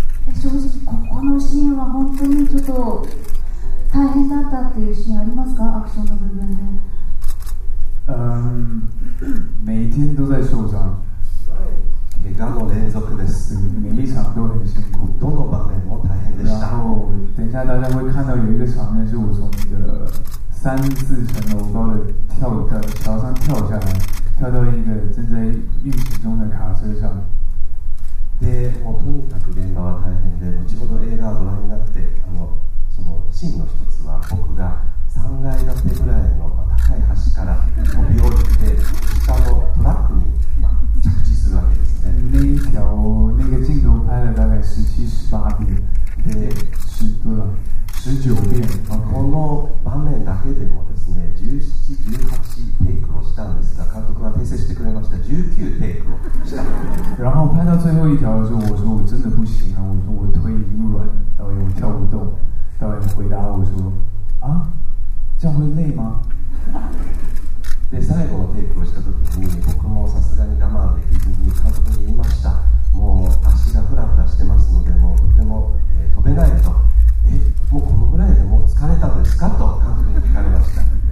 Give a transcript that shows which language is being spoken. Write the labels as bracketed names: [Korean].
[Japanese] 正直ここのシーンは本当にちょっと大変だったっていうシーンありますか？アクションの部分で。 [Chinese] 每天都在受傷。 [Japanese] 怪我の連続です。 [Chinese] 每場都很辛苦。 [Japanese] どの場面も大変でした。 [Chinese] 然后，等一下大家会看到有一个场面是我从那个三四层楼高的桥上跳下来，跳到一个正在运行中的卡车上。 [Japanese] で、もうとにかく現場は大変で、後ほど映画をご覧になって、そのシーンの一つは僕が3階建てぐらいの高い橋から飛び降りて、下のトラックに着地するわけですね。 [Chinese] 那一条、那个镜头拍了大概17、18遍。 [Japanese] で、 [Chinese] 十多少？19遍。 [Japanese] この場面だけでもですね、17、18テイクをしたんですが、監督は訂正してくれました。 19テイクをした。 [Chinese] 然后拍到最后一条的时候，我说我真的不行了，我说我腿已经软，导演我跳不动。导演回答我说，啊，这样会累吗？ [Japanese] で最後のテイクをした時に、僕もさすがに我慢できずに監督に言いました。もう足がフラフラしてますので、もうとても、飛べないと。え、もうこのぐらいでもう疲れたんですかと監督に聞かれました。